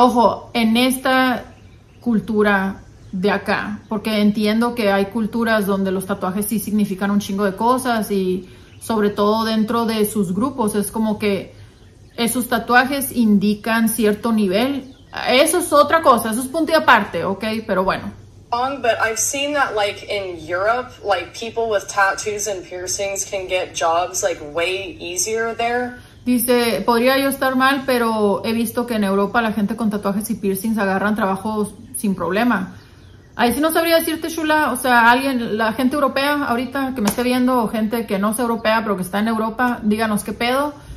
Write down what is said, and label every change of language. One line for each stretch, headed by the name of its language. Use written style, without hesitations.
Spanish: Ojo, en esta cultura de acá, porque entiendo que hay culturas donde los tatuajes sí significan un chingo de cosas y sobre todo dentro de sus grupos es como que esos tatuajes indican cierto nivel. Eso es otra cosa, eso es punto y aparte, ok, pero bueno.
English: Wrong, but I've seen that like in Europe, like people with tattoos and piercings can get jobs like way easier there.
Spanish: Dice, podría yo estar mal, pero he visto que en Europa la gente con tatuajes y piercings agarran trabajos sin problema. Ahí sí no sabría decirte, Shula, o sea, alguien, la gente europea ahorita que me esté viendo, o gente que no sea europea, pero que está en Europa, díganos qué pedo.